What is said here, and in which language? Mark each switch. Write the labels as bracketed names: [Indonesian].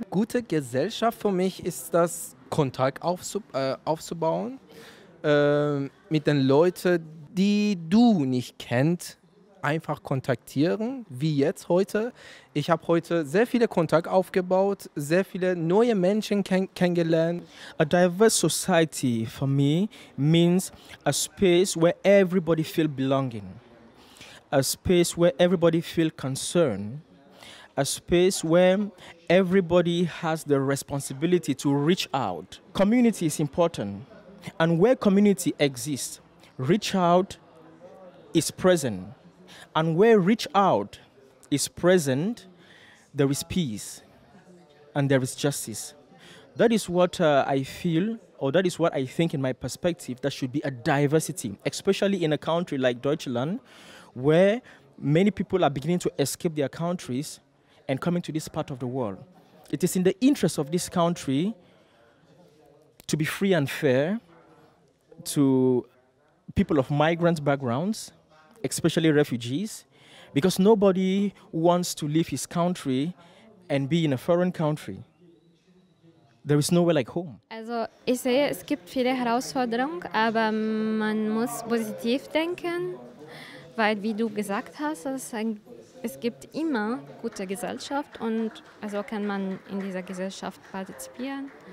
[German] Gute Gesellschaft für mich ist das, Kontakt aufzubauen mit den Leuten, die du nicht kennst. Einfach kontaktieren, wie jetzt heute. Ich habe heute sehr viele Kontakte aufgebaut, sehr viele neue Menschen kennengelernt. [English] A diverse society for me means a space where everybody feel belonging, a space where everybody feel concern, a space where everybody has the responsibility to reach out. Community is important, and where community exists, reach out is present. And where reach out is present, there is peace and there is justice. That is what I feel, or that is what I think in my perspective, that should be a diversity, especially in a country like Deutschland, where many people are beginning to escape their countries and coming to this part of the world. It is in the interest of this country to be free and fair to people of migrant backgrounds, especially refugees, because nobody wants to leave his country and be in a foreign country. There is nowhere like home. [German] Also ich sehe, es gibt viele Herausforderungen, aber man muss positiv denken, weil wie du gesagt hast, es gibt immer gute Gesellschaft und also kann man in dieser Gesellschaft partizipieren